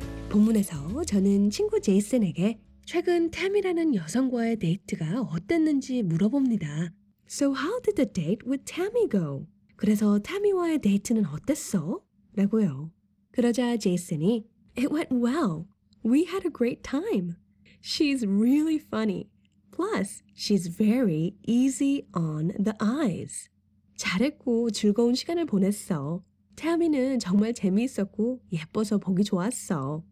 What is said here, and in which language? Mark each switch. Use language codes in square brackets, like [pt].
[ko] 본문에서 저는 친구 제이슨에게 최근 태미라는 여성과의 데이트가 어땠는지 물어봅니다. [en] So how did the date with Tammy go? [ko] 그래서 태미와의 데이트는 어땠어? 라고요. 그러자 제이슨이 [en] It went well. We had a great time. She's really funny. Plus, she's very easy on the eyes. [ko] 잘했고 즐거운 시간을 보냈어. 태아미는 정말 재미있었고 예뻐서 보기 좋았어.